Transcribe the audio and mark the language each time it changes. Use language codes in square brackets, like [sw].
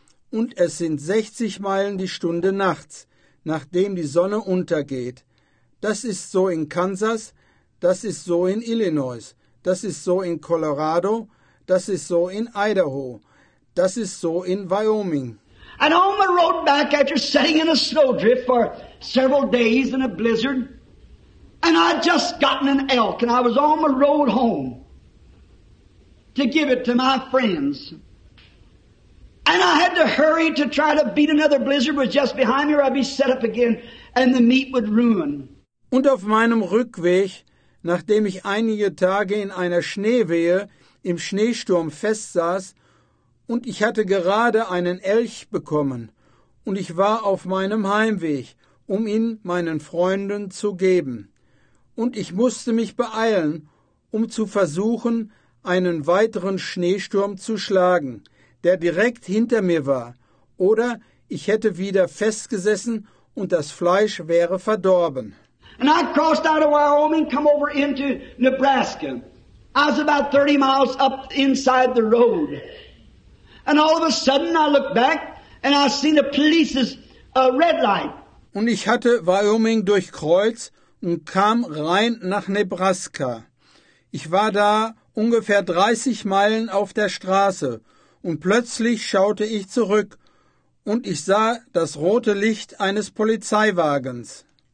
[de] Und es sind 60 Meilen die Stunde nachts, nachdem die Sonne untergeht. Das ist so in Kansas, das ist so in Illinois, das ist so in Colorado, das ist so in Idaho, das ist so in Wyoming. [en] And on the road back after sitting in a snowdrift for several days in a blizzard, and I'd just gotten an elk, and I was on the road home to give it to my friends. And I had to hurry to try to beat another blizzard was just behind me or I'd be set up again and the meat would ruin. [de] Und auf meinem Rückweg, nachdem ich einige Tage in einer Schneewehe im Schneesturm festsaß und ich hatte gerade einen Elch bekommen und ich war auf meinem Heimweg, um ihn meinen Freunden zu geben. Und ich musste mich beeilen, um zu versuchen, einen weiteren Schneesturm zu schlagen, der direkt hinter mir war, oder ich hätte wieder festgesessen und das Fleisch wäre verdorben. [en] And I crossed out of Wyoming, come over into Nebraska. I was about 30 miles up inside the road. And all of a sudden I looked back and I seen the police's red light. [de] Und ich hatte Wyoming durchkreuzt und kam rein nach Nebraska. Ich war da ungefähr 30 Meilen auf der Straße. Und plötzlich schaute ich zurück und ich sah das rote Licht eines Polizeiwagens.